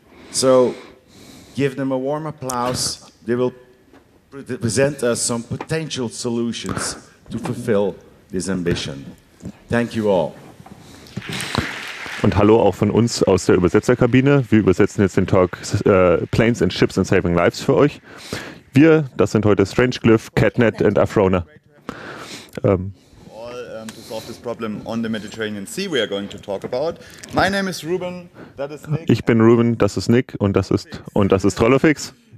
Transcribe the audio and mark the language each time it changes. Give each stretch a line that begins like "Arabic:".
English: So, give them a warm applause. They will present us some potential solutions to fulfill this ambition. Thank you all.
German: Und hallo auch von uns aus der Übersetzerkabine. Wir übersetzen jetzt den Talk Planes and Ships and Saving Lives für euch. Wir, das sind heute Strange Glyph, Catnet and Afrona.
English: To solve this problem on the Mediterranean Sea we are going to talk about. My name is Ruben, that is Nick.
German: Ich bin Ruben, das ist Nick und das ist Trollefix.